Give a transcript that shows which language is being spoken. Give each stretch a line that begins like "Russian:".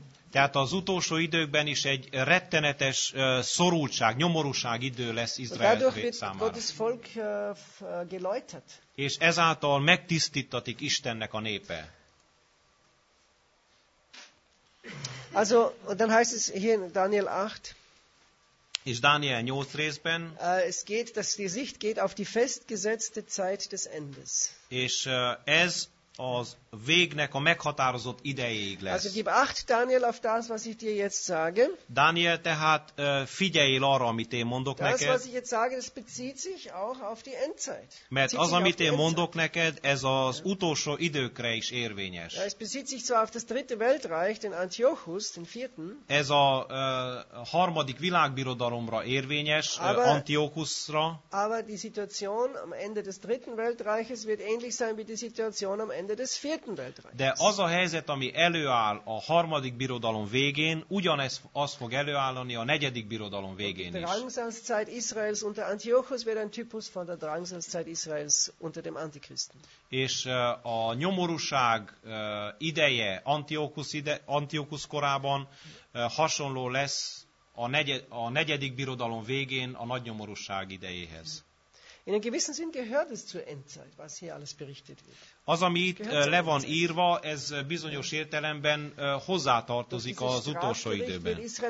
Hungarian: Tehát az utolsó időkben is egy rettenetes szorultság, nyomorúság idő lesz Izrael számára. És ezáltal megtisztítatik Istennek a népe.
German: Also, und dann heißt es hier in Daniel 8,
Hungarian: és Dániel 8 részben,
German: es geht, dass die Sicht geht auf die festgesetzte Zeit des Endes.
Hungarian: És ez az végnek a meghatározott idejéig lesz.
German: Also gib acht, Daniel, auf das, was ich dir jetzt sage.
Hungarian: Daniel, tehát figyeljél arra, amit én mondok
German: das,
Hungarian: neked.
German: Das, was ich jetzt sage, das bezieht sich auch auf die Endzeit.
Hungarian: Mert az, amit én mondok neked, ez az utolsó időkre is érvényes.
German: Ja, es bezieht sich zwar auf das dritte Weltreich, den Antiochus, den vierten.
Hungarian: Ez a harmadik világbirodalomra érvényes, Antiochusra.
German: Aber die Situation am Ende des dritten Weltreiches wird ähnlich sein wie die Situation am Ende des vierten Weltreichs.
Hungarian: De az a helyzet, ami előáll a harmadik birodalom végén, ugyanez az fog előállni a negyedik birodalom végén is.
German: Die Drangsalszeit Israels unter Antiochus wird ein Typus von der Drangsalszeit Israels unter dem Antichristen.
Hungarian: És a nyomorúság ideje Antiochus korában hasonló lesz a negyedik birodalom végén a nagy nyomorúság idejéhez.
German: In einem gewissen Sinn gehört es zur Endzeit, was hier alles berichtet wird.
Hungarian: Az, ami itt le van írva, ez bizonyos értelemben hozzátartozik az utolsó időben.